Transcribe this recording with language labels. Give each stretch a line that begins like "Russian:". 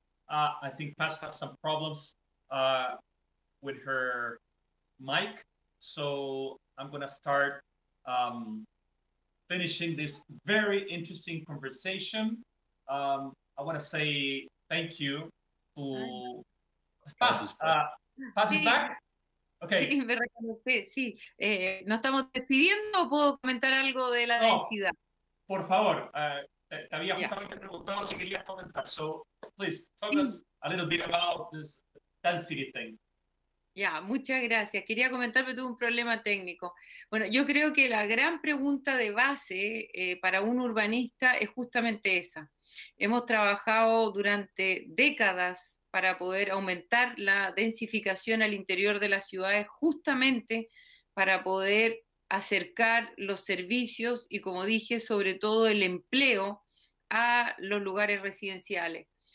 English: I think Paz has some problems with her mic, so I'm going to start finishing this very interesting conversation. I want to say thank you to Paz is back. Okay. Sí.
Spanish: ¿No estamos despidiendo o puedo comentar algo de la densidad? Por favor, te había justamente preguntado si querías comentar.
English: So, please, talk us a little bit about this density thing.
Spanish: Ya, muchas gracias. Quería comentar, pero tuve un problema técnico. Bueno, yo creo que la gran pregunta de base para un urbanista es justamente esa. Hemos trabajado durante décadas para poder aumentar la densificación al interior de las ciudades, justamente para poder acercar los servicios y, como dije, sobre todo el empleo a los lugares residenciales.